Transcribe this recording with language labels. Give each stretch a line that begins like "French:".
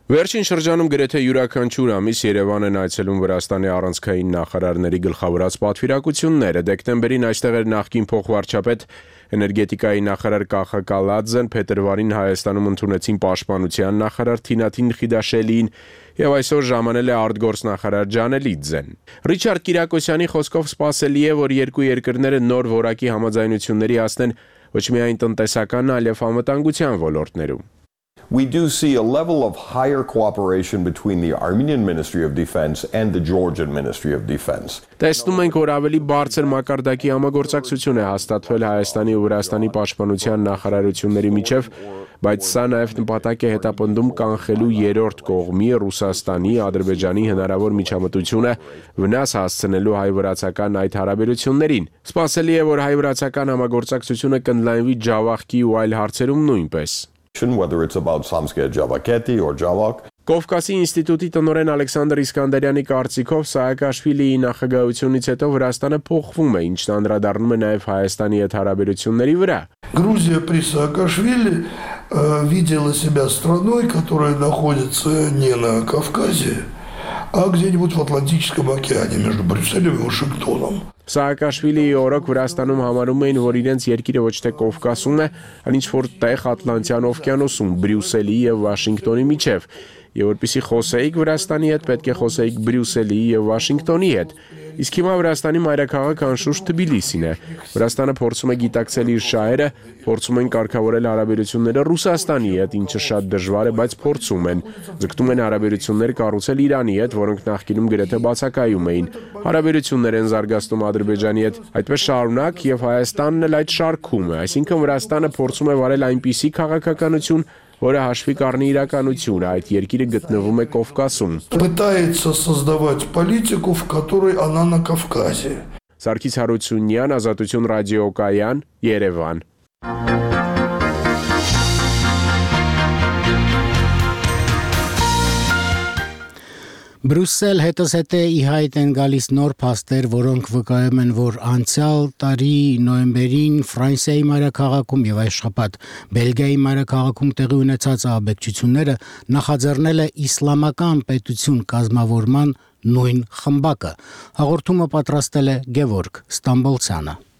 Armenian: Վերջին շրջանում գրեթե յուրաքանչյուր ամիս Երևան են այցելում Վրաստանի առանցքային նախարարների գլխավորած պատվիրակությունները։ Դեկտեմբերին այստեղ էր նախկին փոխվարչապետ էներգետիկայի նախարար Կախա Կալադզեն, փետրվարին Հայաստանում ընդունեցին պաշտպանության նախարար Թինաթին Խիդաշելին, եւ այսօր ժամանել է արտգործ նախարար Ջանելիձեն։ Ռիչարդ Կիրակոսյանի խոսքով սպասելի է, որ երկու երկրները նոր որակի համաձայնությունների հասնեն ոչ միայն տնտեսական, այլև համատանգության ոլորտներում։
English: We do see a level of higher cooperation between the Armenian Ministry of Defense and the Georgian Ministry of Defense.
Armenian: Տեսնում ենք, որ ավելի բարձր մակարդակի համագործակցություն է հաստատվել Հայաստանի ու Վրաստանի պաշտպանության նախարարությունների միջև, բայց սա նաև նպատակ է հետապնդում կանխելու երրորդ կողմի Ռուսաստանի, Ադրբեջանի հնարավոր միջամտությունը վնաս հասցնելու հայ-վրացական այդ հարաբերություններին։ Սպասելի է, որ հայ-վրացական համագործակցությունը կընդլայնվի Ջավախքի ու այլ հարցերում նույնպես։
English: Whether it's about Samske Javakheti or Javakh.
Armenian: Կովկասի ինստիտուտի տնօրեն Ալեքսանդր Իսկանդարյանի կարծիքով Սահակաշվիլիի նախագահությունից հետո Վրաստանը փոխվում է, ինչն անդրադառնում է նաև Հայաստանի հետ հարաբերությունների վրա։
Russian: Грузия при Саакашвили видела себя страной, которая находится не на Кавказе, а где-нибудь в Атлантическом океане между Брюсселем и Вашингтоном.
Armenian: Սահակաշվիլիի օրոք Վրաստանում համարում էին, որ իրենց երկիրը ոչ թե Կովկասում է, այլ ինչ-որ տեղ Ատլանտյան օվկիանոսում, Բրյուսելի և Վաշինգտոնի միջև։ Եվ որպեսզի խոսեիք Վրաստանի հետ, պետք է խոսեիք Բրյուսելի և Վաշինգտոնի հետ։ Իսկ հիմա Վրաստանի մայրաքաղաքը անշուշտ Թբիլիսին է։ Վրաստանը փորձում է գիտակցել իր շահերը, փորձում են կարգավորել հարաբերությունները Ռուսաստանի հետ, ինչը շատ դժվար է, բայց փորձում են։ Ձգտում են հարաբերություններ կառուցել Իրանի հետ, որոնք նախկինում գրեթե բացակայում էին։ Հարաբերություններ են զարգացնում Ադրբեջանի հետ, այդպես շարունակ, և Հայաստանն էլ այդ շարքում է։ Այսինքն Վրաստանը փորձում է վարել այնպիսի քաղաքականություն, որը հաշվի կառնի իրականությունը, այդ երկիրը գտնվում է Կովկասում։
Russian: Пытается создавать политику, в которой она на Кавказе.
Armenian: Սարգիս Հարությունյան, Ազատություն ռադիոկայան, Երևան։ Բրյուսել հետս հետ է իհայտ են գալիս նոր փաստեր, որոնք վկայում են, որ անցյալ տարի նոյեմբերին Ֆրանսիայի մայրաքաղաքում եւ այս շաբաթ Բելգիայի մայրաքաղաքում տեղի ունեցած ահաբեկչությունները նախաձեռնել է իսլամական պետություն կազմավորման նույն խմբակը։ Հաղորդումը պատրաստել է Գևորգ Ստամբոլցյանը։